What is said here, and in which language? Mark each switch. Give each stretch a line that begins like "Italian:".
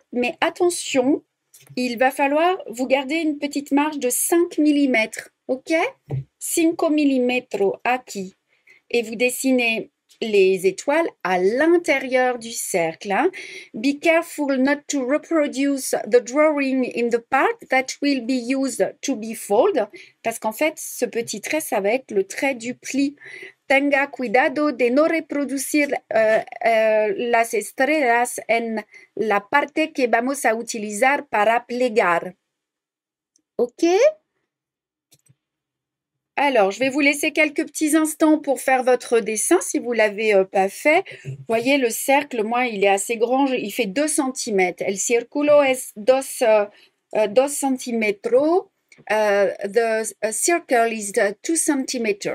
French: Mais attention, il va falloir vous garder une petite marge de 5 mm. OK? 5 mm aquí. Et vous dessinez les étoiles à l'intérieur du cercle. Hein.
English: Be careful not to reproduce the drawing in the part that will be used to be fold.
French: Parce qu'en fait, ce petit trait, ça va être le trait du pli.
Spanish: Tenga cuidado de no reproducir las estrellas en la parte que vamos a utilizar para plegar. OK?
French: Alors, je vais vous laisser quelques petits instants pour faire votre dessin si vous ne l'avez pas fait. Vous voyez, le cercle, moi, il est assez grand, il fait 2 cm.
Spanish: El círculo es 2 cm.
English: The circle is 2 cm.